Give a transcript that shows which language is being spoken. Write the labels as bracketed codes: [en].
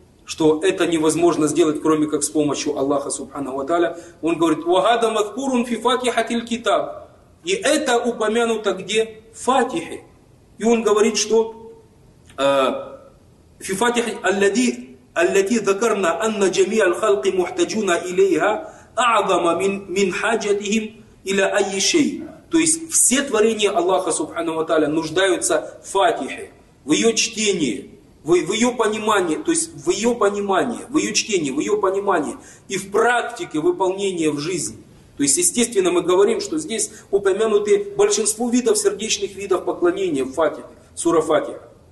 [ru] Что это невозможно сделать, кроме как с помощью Аллаха, субханаху ва тааля. Он говорит, [ar] ва хада мадкурун фи фатихатиль китаб. [ru] И это упомянуто где? Фатихе. И он говорит, что фи фатихе аллади... [ar] التي ذكرنا أن جميع الخلق محتاجون إليها أعظم من حاجتهم إلى أي شيء. [ru] То есть все творения Аллаха Субхана ва Тааля нуждаются в Фатихе, в ее чтении, в ее понимании, то есть в ее понимании, в ее чтении, в ее понимании и в практике выполнения в жизни. То есть естественно мы говорим, что здесь упомянуты большинство видов сердечных видов поклонения в Фатихе, сура Фатиха.